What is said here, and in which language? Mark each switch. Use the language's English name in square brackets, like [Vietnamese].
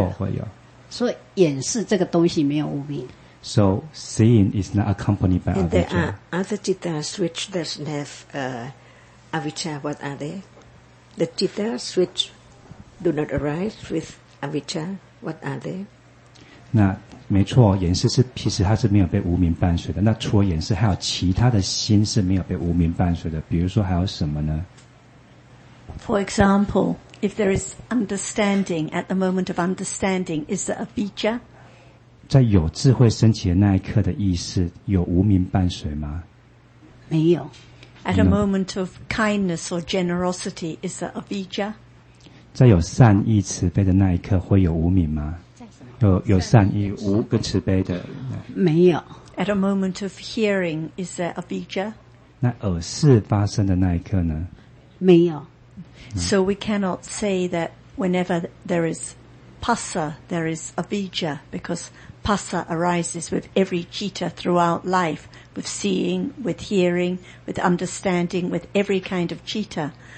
[Chinese] 它并不会，它并没有跟演示同时升起，但是可能之后会有。所以演示这个东西没有无明。 [English] So seeing is not accompanied by avijja. And there are other cittas which doesn't have avijja. What are they? The cittas which do not arise with avijja. What are they? [Chinese] 那没错，演示是其实它是没有被无明伴随的。那除了演示，还有其他的心是没有被无明伴随的。比如说还有什么呢？ [English] For example, if there is understanding at the moment of understanding, is there avijja? [Chinese] 在有智慧升起的那一刻的意识，有无明伴随吗？没有。 [English] At a moment of kindness or generosity, is there avijja? [Chinese] 在有善意慈悲的那一刻会有无明吗？有善意无个慈悲的没有。 [English] At a moment of hearing, is there a avijja? [Chinese] 那耳识发生的那一刻呢？没有。 [English] So we cannot say that whenever there is passa, there is a avijja, because passa arises with every citta throughout life, with seeing, with hearing, with understanding, with every kind of citta.